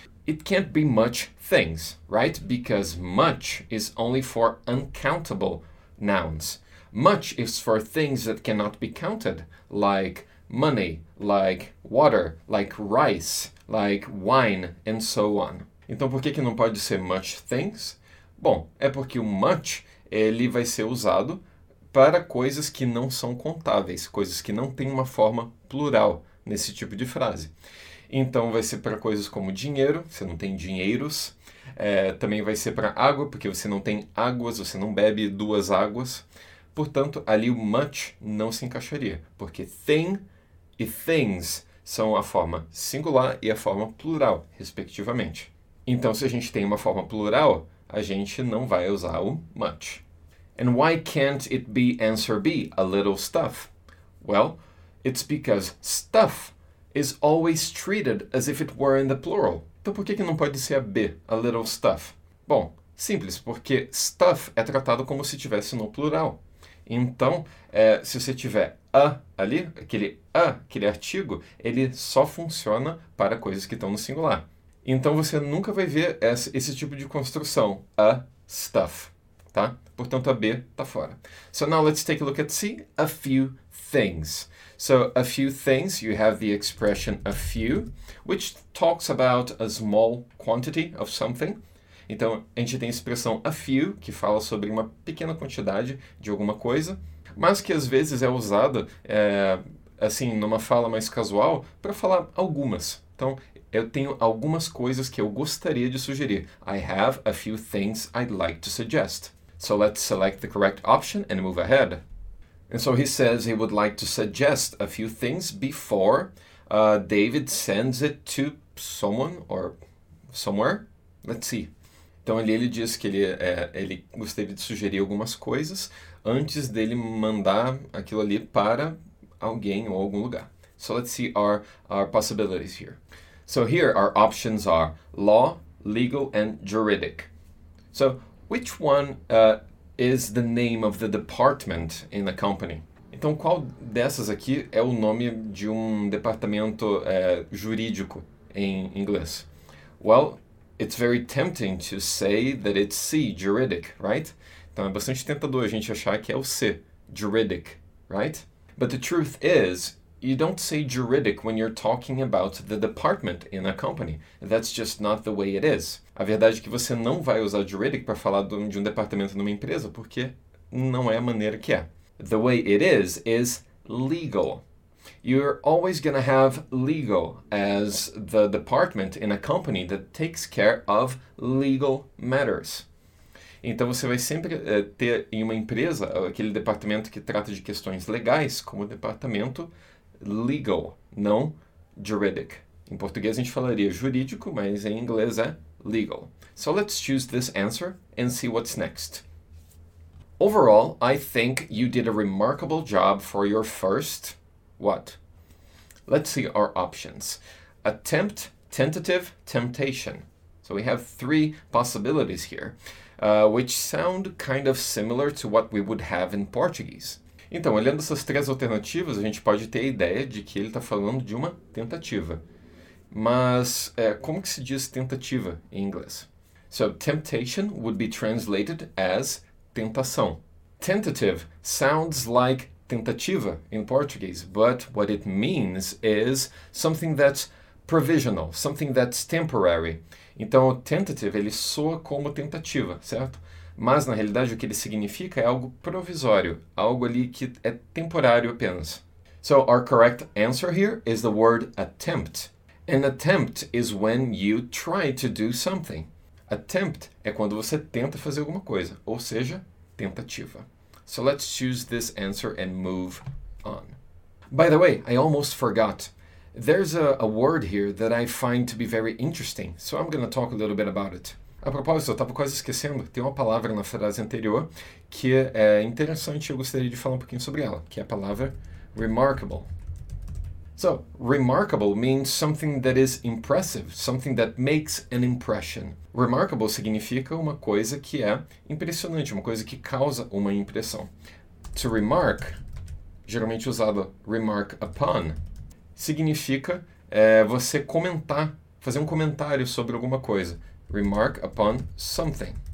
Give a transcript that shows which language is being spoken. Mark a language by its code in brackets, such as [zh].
[en] It can't be much things, right? Because much is only for uncountable nouns. Much is for things that cannot be counted, like money, like water, like rice, like wine, and so on. [pt] Então, por que não pode ser much things? Bom, é porque o much, ele vai ser usado para coisas que não são contáveis, coisas que não têm uma forma plural nesse tipo de frase. Então, vai ser para coisas como dinheiro, você não tem dinheiros. É, também vai ser para água, porque você não tem águas, você não bebe duas águas. Portanto, ali o much não se encaixaria, porque thing e things são a forma singular e a forma plural, respectivamente. Então, se a gente tem uma forma plural, a gente não vai usar o much. [en] And why can't it be answer B, a little stuff? Well, it's because stuff is always treated as if it were in the plural. [pt] Então, por que não pode ser a B, [en] a little stuff? [pt] Bom, simples, porque stuff é tratado como se tivesse no plural. Então, se você tiver a ali, aquele a, aquele artigo, ele só funciona para coisas que estão no singular. Então, você nunca vai ver esse tipo de construção, [en] a stuff, [pt] tá? Portanto, a B está fora. [en] So now let's take a look at C, a few things. So a few things, you have the expression a few, which talks about a small quantity of something. [pt] Então, a gente tem a expressão a few, que fala sobre uma pequena quantidade de alguma coisa, mas que às vezes é usada, assim, numa fala mais casual, para falar algumas. Então, eu tenho algumas coisas que eu gostaria de sugerir. [en] I have a few things I'd like to suggest. So let's select the correct option and move ahead. And so he says he would like to suggest a few things before David sends it to someone or somewhere. Let's see. [pt] Então ali ele diz que ele gostaria de sugerir algumas coisas antes dele mandar aquilo ali para alguém ou algum lugar. [en] So let's see our possibilities here. So here our options are law, legal, and juridic. So which one is the name of the department in the company? [pt] Então qual dessas aqui é o nome de departamento jurídico em inglês? [en] Well, it's very tempting to say that it's C, juridic, right? [pt] Então é bastante tentador a gente achar que é o C, juridic, [en] right? But the truth is, you don't say juridic when you're talking about the department in a company. That's just not the way it is. [pt] A verdade é que você não vai usar juridic para falar de departamento numa empresa, porque não é a maneira que é. [en] The way it is legal. You're always going to have legal as the department in a company that takes care of legal matters. [pt] Então, você vai sempre ter em uma empresa aquele departamento que trata de questões legais como departamento legal, não juridic. Em português, a gente falaria jurídico, mas em inglês é legal. [en] So, let's choose this answer and see what's next. Overall, I think you did a remarkable job for your first... What? Let's see our options. Attempt, tentative, temptation. So we have three possibilities here, which sound kind of similar to what we would have in Portuguese. [pt] Então, olhando essas três alternativas, a gente pode ter a ideia de que ele está falando de uma tentativa. Mas como que se diz tentativa em inglês? [en] So temptation would be translated as tentação. Tentative sounds like tentativa in Portuguese, but what it means is something that's provisional, something that's temporary. [pt] Então, o tentative, ele soa como tentativa, certo? Mas, na realidade, o que ele significa é algo provisório, algo ali que é temporário apenas. [en] So, our correct answer here is the word attempt. An attempt is when you try to do something. [pt] Attempt é quando você tenta fazer alguma coisa, ou seja, tentativa. [en] So let's choose this answer and move on. By the way, I almost forgot. There's a word here that I find to be very interesting, so I'm going to talk a little bit about it. [pt] A propósito, eu estava quase esquecendo, tem uma palavra na frase anterior que é interessante e eu gostaria de falar um pouquinho sobre ela, que é a palavra remarkable. [en] So, remarkable means something that is impressive, something that makes an impression. [pt] Remarkable significa uma coisa que é impressionante, uma coisa que causa uma impressão. To remark, geralmente usado remark upon, significa você comentar, fazer um comentário sobre alguma coisa. [en] Remark upon something.